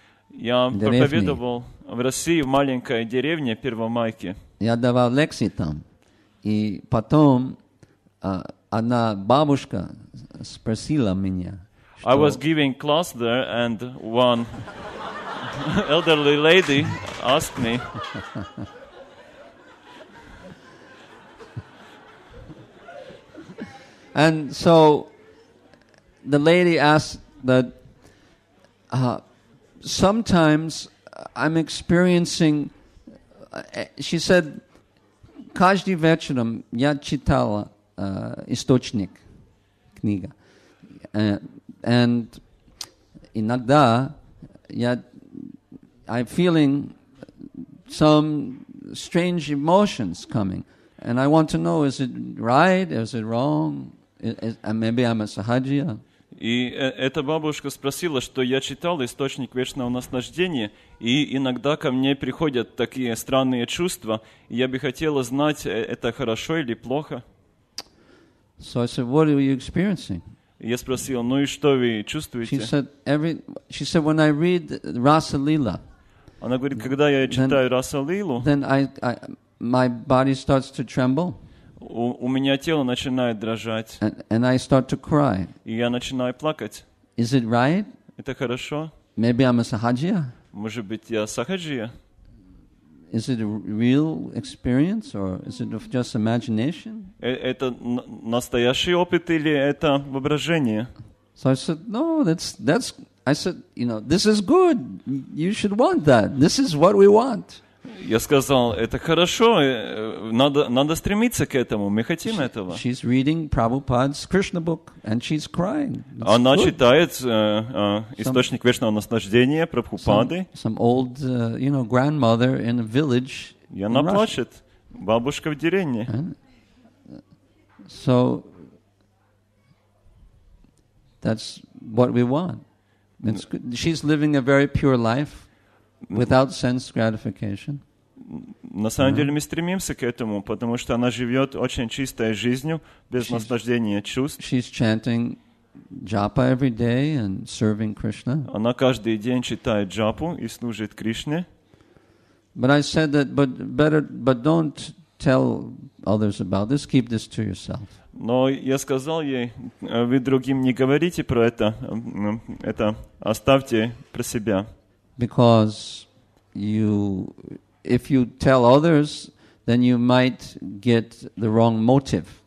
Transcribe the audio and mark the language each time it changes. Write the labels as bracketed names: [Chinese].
[Russian] Я проповедовал в России в маленькой деревне Первомайки. Я давал лекции там. И потом одна бабушка спросила меня. [English] I was giving class there, and one elderly lady asked me. And so the lady asked that sometimes I'm experiencing. She said, [Russian] "Каждый вечером я читала источник, книга. [English] And [Russian] иногда [English] I'm feeling some strange emotions coming. And I want to know, is it right? Is it wrong? Maybe I'm a sahajiya." [Russian] И эта бабушка спросила, что я читал источник вечного наслаждения, и иногда ко мне приходят такие странные чувства, и я бы хотела знать, это хорошо или плохо. [English] So I said, "What are you experiencing?" [Russian] Я спросил, ну и что вы чувствуете? [English] She said, "When I read Rasa Lila." [Russian] Она говорит, когда я читаю Раса Лилу, [English] then I my body starts to tremble. [Russian] У меня тело начинает дрожать. [English] And I start to cry. [Russian] И я начинаю плакать. [English] Is it right? [Russian] Это хорошо? [English] Maybe I'm a sahajiya. [Russian] Может быть, я сахаджия? [English] Is it a real experience or is it just imagination? [Russian] Это настоящий опыт или это воображение? [English] So I said, no, that's. I said, you know, this is good. You should want that. This is what we want. [Russian] Я сказал, это хорошо. Надо стремиться к этому. Мы хотим этого. [English] She's reading Prabhupada's Krishna book and she's crying. [Russian] Она читает источник вечного наслаждения Прабхупады. [English] Some old, you know, grandmother in a village. [Russian] И она плачет. Бабушка в деревне. [English] So that's what we want. It's good. She's living a very pure life without sense gratification. [Russian] На самом деле мы стремимся к этому, потому что она живет очень чистой жизнью без наслаждения чувств. [English] She's chanting japa every day and serving Krishna. [Russian] Она каждый день читает джапу и служит Кришне. [English] But I said that, but don't tell others about this. Keep this to yourself. [Russian] Но я сказал ей, вы другим не говорите про это оставьте про себя. [English] Because if you tell others, then you might get the wrong motive.